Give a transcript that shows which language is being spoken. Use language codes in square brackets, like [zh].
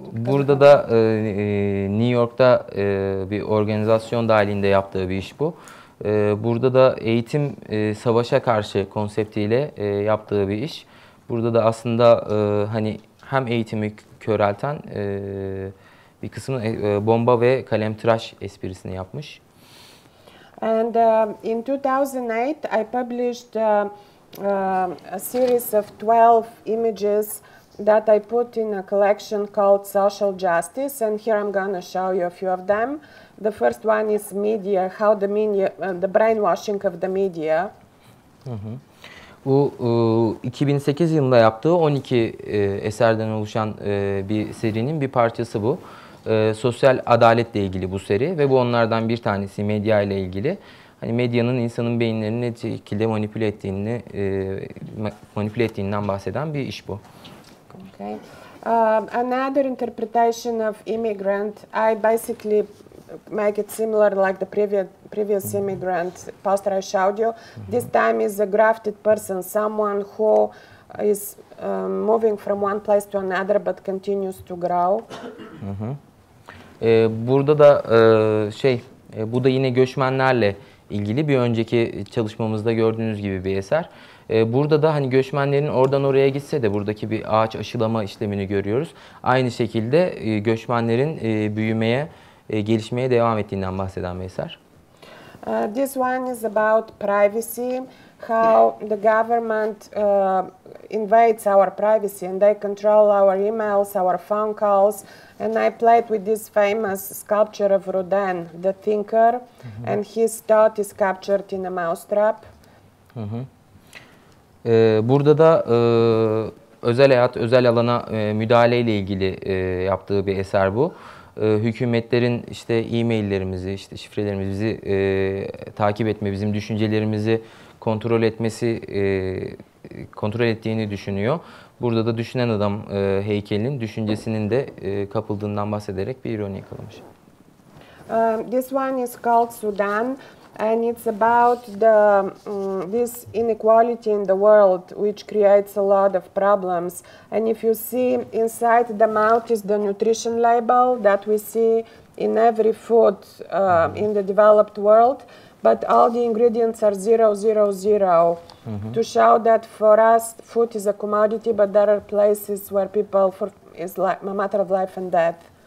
[tr] burada da New York'ta bir organizasyon dahilinde yaptığı bir iş bu. Burada da eğitim savaşa karşı konseptiyle yaptığı bir iş. Burada da aslında hani hem eğitimi körelten bir kısmı bomba ve kalemtıraş esprisini yapmış. [en] And in 2008 I published a series of 12 images that I put in a collection called Social Justice, and here I'm going to show you a few of them. The first one is media, how the media, the brainwashing of the media. [tr] Bu 2008 yılında yaptığı 12 eserden oluşan bir serinin bir parçası bu. Sosyal adaletle ilgili bu seri ve bu onlardan bir tanesi medya ile ilgili. Hani medyanın insanın beyinlerini ne şekilde manipüle ettiğini manipüle ettiğinden bahseden bir iş bu. [en] Okay. Another interpretation of immigrant. I basically make it similar like the previous immigrant poster I showed you. This time is a grafted person, someone who is moving from one place to another but continues to grow. [tr] Burada da bu da yine göçmenlerle ilgili bir önceki çalışmamızda gördüğünüz gibi bir eser. Burada da hani göçmenlerin oradan oraya gitse de buradaki bir ağaç aşılama işlemini görüyoruz. Aynı şekilde göçmenlerin büyümeye, gelişmeye devam ettiğinden bahseden bir eser. [en] This one is about privacy, how the government invades our privacy and they control our emails, our phone calls. And I played with this famous sculpture of Rodin, the thinker, and his thought is captured in a mousetrap. [tr] Burada da özel hayat, özel alana müdahale ile ilgili yaptığı bir eser bu. Hükümetlerin işte e-maillerimizi, işte şifrelerimizi bizi takip etme, bizim düşüncelerimizi kontrol etmesi, kontrol ettiğini düşünüyor. Burada da düşünen adam heykelinin düşüncesinin de kapıldığından bahsederek bir ironi yakalamış. [en] This one is called Sudan. And it's about the this inequality in the world, which creates a lot of problems. And if you see inside the mouth is the nutrition label that we see in every food in the developed world, but all the ingredients are 000 to show that for us food is a commodity, but there are places where people for is like a matter of life and death.